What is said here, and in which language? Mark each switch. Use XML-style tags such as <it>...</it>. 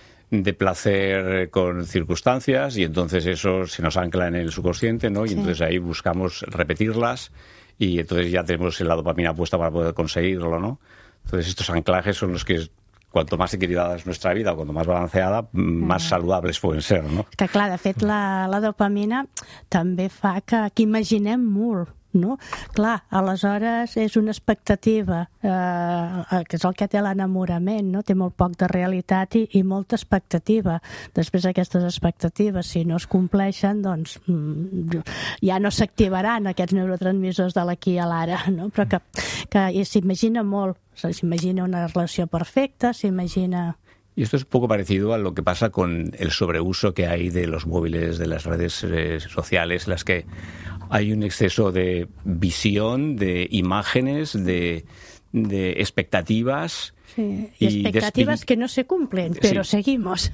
<es>de placer con circunstancias y entonces eso se nos ancla en el subconsciente, ¿no? Sí. Y entonces ahí buscamos repetirlas y entonces ya tenemos la dopamina puesta para poder conseguirlo, ¿no? Entonces estos anclajes son los que cuanto más equilibrada es nuestra vida o cuanto más balanceada, más saludables pueden ser, ¿no?</es> <ca>Que clar, de fet, la dopamina també fa que imaginem molt. No? Clar, aleshores és una expectativa, que és el que té l'enamorament, no? Té molt poc de realitat i molta expectativa. Després aquestes expectatives, si no es compleixen, doncs ja no s'activaran aquests neurotransmissors de l'aquí a l'ara, no? Però que s'imagina molt, s'imagina una relació perfecta, s'imagina...</ca> <es>Y esto es un poco parecido a lo que pasa con el sobreuso que hay de los móviles, de las redes sociales, en las que hay un exceso de visión, de imágenes, de expectativas. Sí, y expectativas que no se cumplen, pero sí, seguimos.</es>